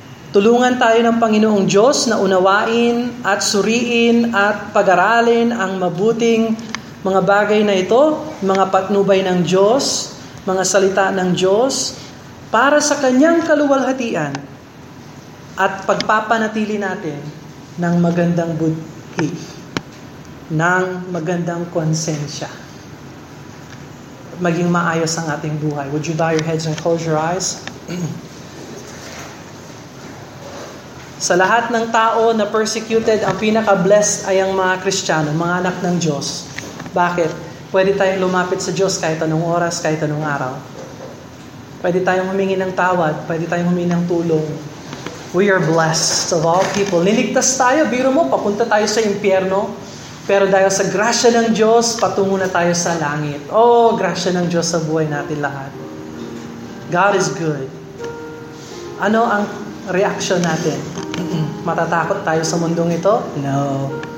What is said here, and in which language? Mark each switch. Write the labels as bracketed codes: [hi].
[tl] Tulungan tayo ng Panginoong Diyos na unawain at suriin at pag-aralin ang mabuting mga bagay na ito, mga patnubay ng Diyos, mga salita ng Diyos, para sa Kanyang kaluwalhatian at pagpapanatili natin ng magandang buhay, ng magandang konsensya. Maging maayos ang ating buhay. [en] Would you bow your heads and close your eyes? [tl] Sa lahat ng tao na persecuted, ang pinaka-blessed ay ang mga Kristiyano, mga anak ng Diyos. Bakit? Pwede tayong lumapit sa Diyos kahit anong oras, kahit anong araw. Pwede tayong humingi ng tawad, pwede tayong humingi ng tulong. [en] We are blessed of all people. [tl] Niligtas tayo, biro mo, papunta tayo sa impyerno. Pero dahil sa grasya ng Diyos, patungo na tayo sa langit. Oh, grasya ng Diyos sa buhay natin lahat. [en] God is good. [tl] Ano ang reaction natin? Matatakot tayo sa mundong ito? No.